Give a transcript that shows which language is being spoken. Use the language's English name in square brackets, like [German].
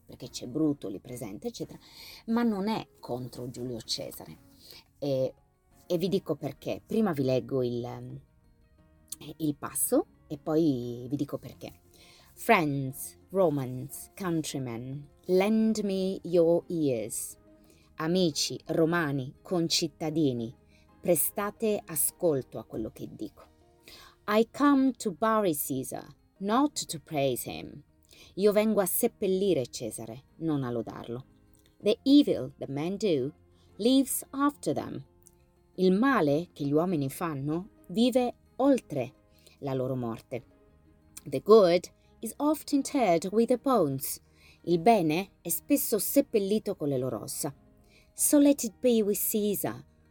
[Italian] Perché c'è Bruto lì presente, eccetera, ma non è contro Giulio Cesare. E vi dico perché. Prima vi leggo il passo e poi vi dico perché. [English] Friends, Romans, countrymen, lend me your ears. [Italian] Amici, romani, concittadini, prestate ascolto a quello che dico. [English] I come to bury Caesar, not to praise him. [Italian] Io vengo a seppellire Cesare, non a lodarlo. [English] The evil that men do lives after them. [Italian] Il male che gli uomini fanno vive oltre la loro morte. [English] The good is oft interred with the bones. [Italian] Il bene è spesso seppellito con le loro ossa. [English] So let it be with Caesar.